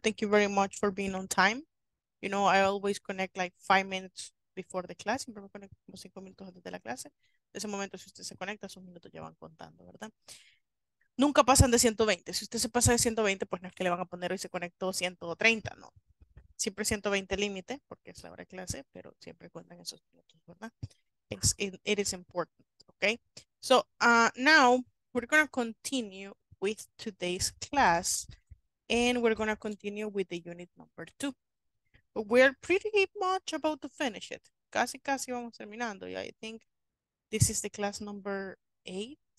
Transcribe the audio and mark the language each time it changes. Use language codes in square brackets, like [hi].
[en] Thank you very much for being on time. You know, I always connect like 5 minutes before the class. [es] Siempre me conecto como 5 minutos antes de la clase. De ese momento, si usted se conecta, esos minutos ya van contando, ¿verdad? Nunca pasan de 120. Si usted se pasa de 120, pues no es que le van a poner hoy se conectó 130, no. Siempre 120 límite, porque es la hora de clase, pero siempre cuentan esos minutos, ¿verdad? [en] It is important, okay? So, now, we're going to continue with today's class, and we're going to continue with the unit number 2. But we're pretty much about to finish it. [es] Casi, casi vamos terminando. [en] Yeah, I think this is the class number 8.